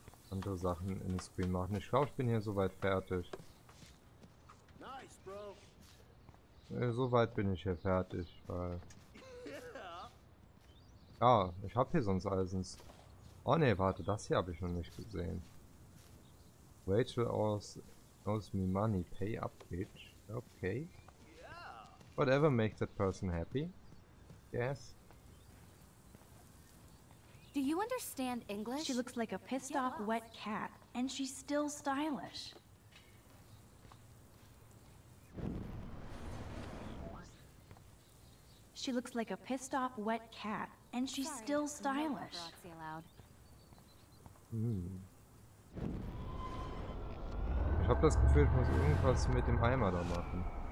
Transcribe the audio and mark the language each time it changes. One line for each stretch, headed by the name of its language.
German: Andere Sachen in den Screen machen. Ich glaube, ich bin hier soweit fertig.
English: Nice, Bro.
German: Soweit bin ich hier fertig, weil... Ja, ich habe hier sonst alles ins... Oh ne, warte, das hier habe ich noch nicht gesehen.
English: Rachel owes me money, pay up, bitch. Okay. Whatever makes that person happy. Yes. Do you understand English? She looks like a pissed off wet cat, and she's still stylish. She looks like a pissed off wet cat, and she's still stylish.
German: Ich habe das Gefühl, ich muss irgendwas mit dem Eimer da machen.